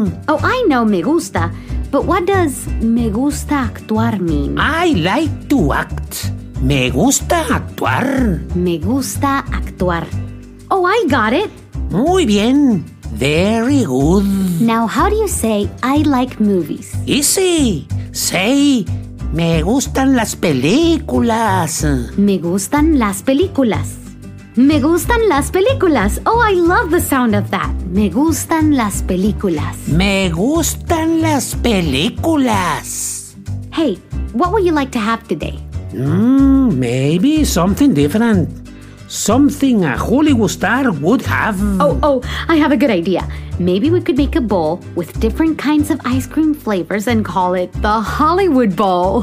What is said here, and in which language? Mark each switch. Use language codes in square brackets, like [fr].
[en] Oh, I know me gusta, but what does [es] me gusta actuar [en] mean? I like to act. [es] Me gusta actuar. Me gusta actuar. [en] Oh, I got it. [es] Muy bien. [en] Very good. Now, how do you say, I like movies? Easy. [es] Say, me gustan las películas. Me gustan las películas. Me gustan las películas. [en] Oh, I love the sound of that. [es] Me gustan las películas. Me gustan las películas. [en] Hey, what would you like to have today? Maybe something different. Something a Hollywood star would have. Oh, I have a good idea. Maybe we could make a bowl with different kinds of ice cream flavors and call it the Hollywood Bowl.